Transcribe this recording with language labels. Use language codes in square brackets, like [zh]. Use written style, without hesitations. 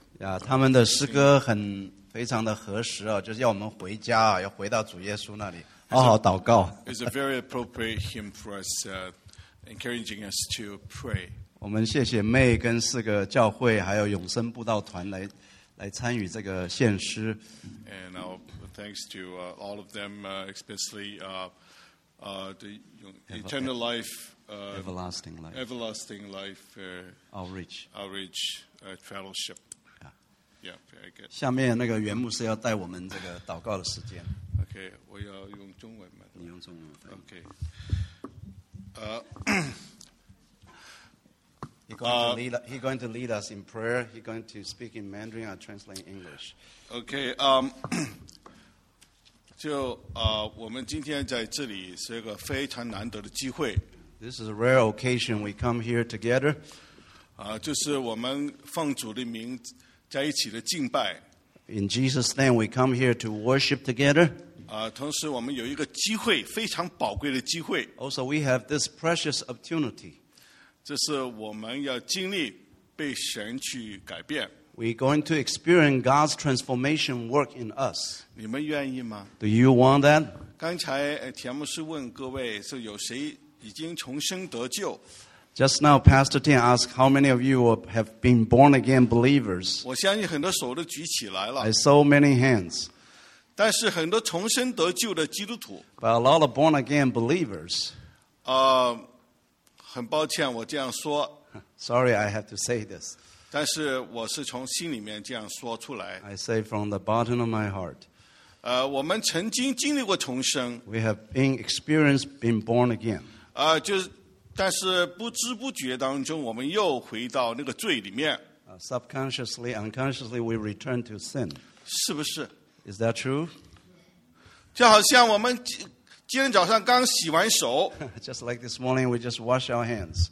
[zh] 呀，他们的诗歌很非常的合时啊，就是要我们回家啊，要回到主耶稣那里。好好祷告。 [en] It's a very appropriate hymn for us, encouraging us to pray. [zh] 我们谢谢 May 跟四个教会，还有永生布道团来参与这个献诗。 [en] And our thanks to all of them, especially the Eternal Life, Everlasting Life, Everlasting Life, Outreach Fellowship. Yeah, very good. [zh] 下面那个袁牧师要带我们这个祷告的时间。 Okay, 我要用中文吗？你用中文。 [en] Okay. He's going to lead us in prayer. He's going to speak in Mandarin or translate English. Okay. [zh] 就我们今天在这里是一个非常难得的机会。 [en] This is a rare occasion. We come here together. [zh] 就是我们奉主的名在一起的敬拜。 [en] In Jesus' name, we come here to worship together. [zh] 同时我们有一个机会，非常宝贵的机会。 [en] Also, we have this precious opportunity. [zh] 这是我们要经历被神去改变。 [en] We're going to experience God's transformation work in us. [zh] 你们愿意吗？ [en] Do you want that? [zh] 刚才田牧师问各位，说有谁已经重生得救？ [en] Just now, Pastor Tian asked how many of you have been born again believers. [zh] 我相信很多手都举起来了。 [en] I saw many hands. [zh] 但是很多重生得救的基督徒。 [en] But a lot of born again believers. [zh] 很抱歉，我这样说。 [en] Sorry, I have to say this. [zh] 但是我是从心里面这样说出来。 [en] I say from the bottom of my heart. [zh] 我们曾经经历过重生。 [en] We have been experienced being born again. [zh] 就是。但是不知不觉当中，我们又回到那个罪里面。 [en] Subconsciously, unconsciously, we return to sin. [zh] 是不是 [en] ？Is that true? [zh] 就好像我们今天早上刚洗完手。 [en] Just like this morning, we just wash our hands.